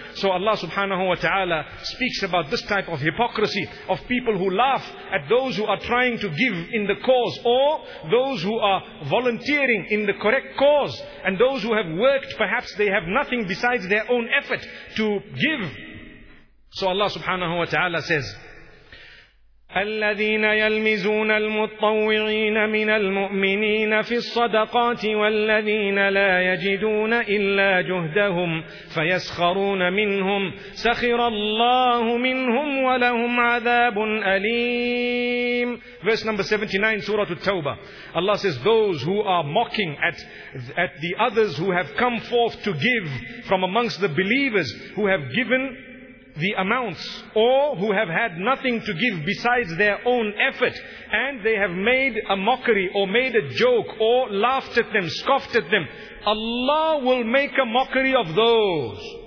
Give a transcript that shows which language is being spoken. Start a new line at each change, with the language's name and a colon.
English: So Allah subhanahu wa ta'ala speaks about this type of hypocrisy, of people who laugh at those who are trying to give in the cause, or those who are volunteering in the correct cause, and those who have worked, perhaps they have nothing besides their own effort to give. So Allah subhanahu wa ta'ala says,
Arabic: الذين يلمزون المطوعين من المؤمنين في الصدقات والذين لا يجدون إلا جهدهم فيسخرون منهم سخر الله منهم ولهم عذاب أليم.
English: Verse number 79, Surah At-Tawbah. Allah says, those who are mocking at the others who have come forth to give from amongst the believers, who have given the amounts, or who have had nothing to give besides their own effort, and they have made a mockery or made a joke or laughed at them, scoffed at them, Allah will make a mockery of those.